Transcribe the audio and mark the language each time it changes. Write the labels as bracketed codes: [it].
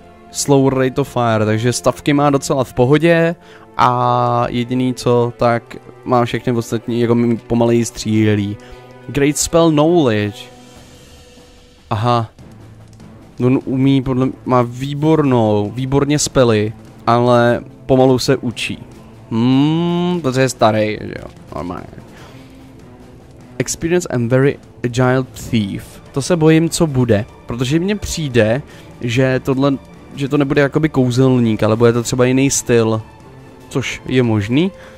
[en] Slow rate of fire, [cs] takže stavky má docela v pohodě a jediný co, tak má všechny ostatní, jako mi pomalej střílí. [en] Great spell knowledge. [cs] Aha. On umí, podle mě, má výbornou, výborně spely, ale pomalu se učí. Protože je starý, že jo, normálně. [en] Experience and very agile thief. [cs] To se bojím, co bude, protože mně přijde, že tohle, že to nebude jakoby kouzelník, ale bude to třeba jiný styl, což je možný.